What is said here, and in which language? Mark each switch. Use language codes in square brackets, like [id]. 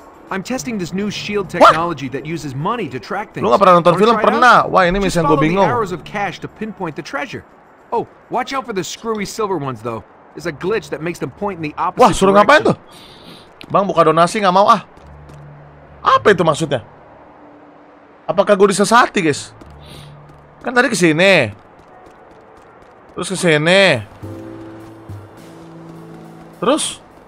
[en] I'm testing this new shield technology that uses money to track things. [id] Lu enggak pernah nonton film? Pernah. Wah, ini misi yang gua bingung. [en] Arrows of cash to pinpoint the treasure. Oh, watch out for the screwy silver ones though. There's a glitch that makes them point in the opposite. [id] Wah, suruh ngapain tuh? Bang, buka donasi enggak mau ah. Apa itu maksudnya? Apakah gua disesati, guys? Kan tadi ke sini. Terus ke sini. Terus?